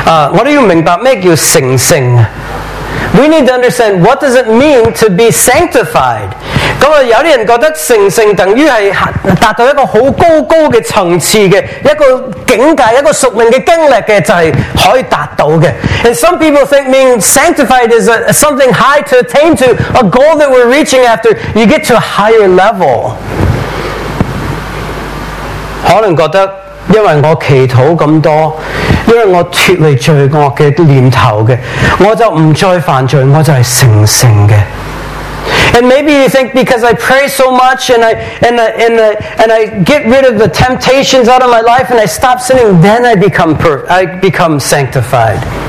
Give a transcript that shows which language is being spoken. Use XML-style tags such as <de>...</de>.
<zh>我们要明白什么叫成圣</zh> <en>We need to understand what does it mean to be sanctified.</en> <zh>有些人覺得成聖等於是達到一個很高高的層次的一個境界一個屬靈的經歷的就是可以達到的</zh> <en>And some people think being sanctified is something high to attain to, a goal that we're reaching after. You get to a higher level.</en> <zh>可能覺得因為我祈禱這麼多，因為我脫離罪惡的念頭的，我就不再犯罪，我就是成聖的。</zh> <en>And maybe you think because I pray so much and I get rid of the temptations out of my life and I stop sinning, then I become sanctified.</en>